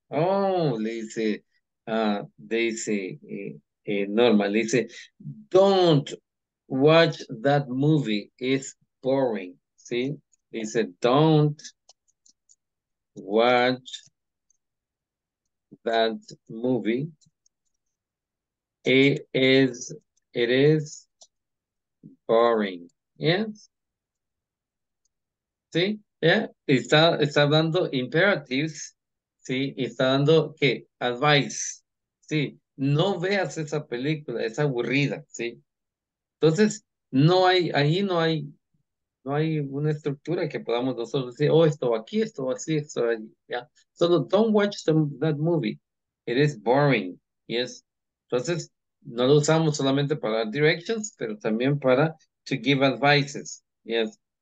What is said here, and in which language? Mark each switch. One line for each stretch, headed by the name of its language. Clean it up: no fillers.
English: Oh, Norma,
Spanish: le dice,
English: don't watch that movie, it's boring.
Spanish: Sí, le dice,
English: don't watch that movie, it is boring. Yes.
Spanish: Sí.
English: Yeah,
Spanish: está dando imperatives, sí, está dando qué, advice, sí, no veas esa película, es aburrida, sí. Entonces, no hay una estructura que podamos nosotros decir, oh, esto aquí, esto así, esto allí, ya.
English: Yeah.
Spanish: Solo
English: don't watch that movie, it is boring, yes.
Spanish: Entonces, no lo usamos solamente para directions, pero también para
English: to give advices, yes.